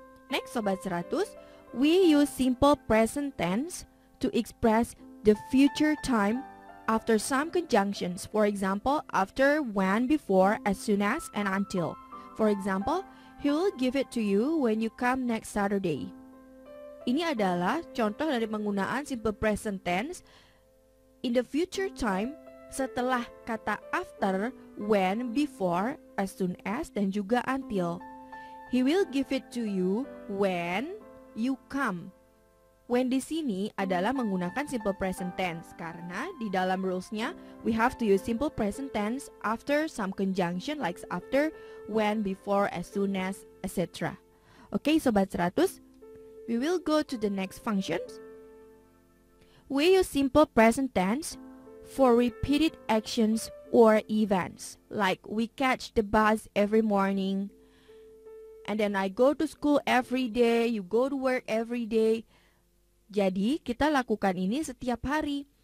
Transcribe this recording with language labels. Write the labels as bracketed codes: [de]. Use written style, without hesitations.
[en] Next, Sobat 100, we use simple present tense to express the future time after some conjunctions. For example, after, when, before, as soon as, and until. For example, he will give it to you when you come next Saturday. [id] Ini adalah contoh dari penggunaan simple present tense [en] in the future time [id] setelah kata after, when, before, as soon as, dan juga until. [en] He will give it to you when you come. [id] When di sini adalah menggunakan simple present tense karena di dalam rulesnya [en] we have to use simple present tense after some conjunction like after, when, before, as soon as, etc. Okay, Sobat 100, we will go to the next functions. We use simple present tense for repeated actions or events like we catch the bus every morning and then I go to school every day, you go to work every day. [id] Jadi, kita lakukan ini setiap hari.